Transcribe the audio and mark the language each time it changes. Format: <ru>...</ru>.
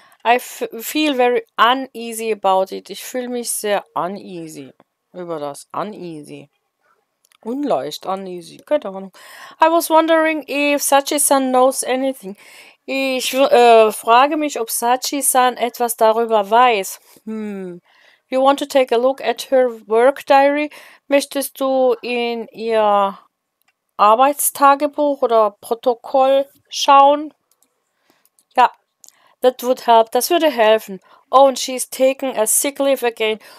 <en>I feel very uneasy about it.</en> <de>Ich fühle mich sehr uneasy über das.</de> <en>Uneasy. Unleicht uneasy.</en> <de>Keine Ahnung.</de> <en>I was wondering if Sachi-san knows anything.</en> <de>Ich frage mich, ob Sachi-san etwas darüber weiß.</de> <en>You want to take a look at her work diary?</en> <de>Möchtest du in ihr Arbeitstagebuch oder Protokoll schauen?</de> <en>That would help.</en> <de>Das würde helfen.</de> <en>Oh, and she's taking a sick leave again.</en>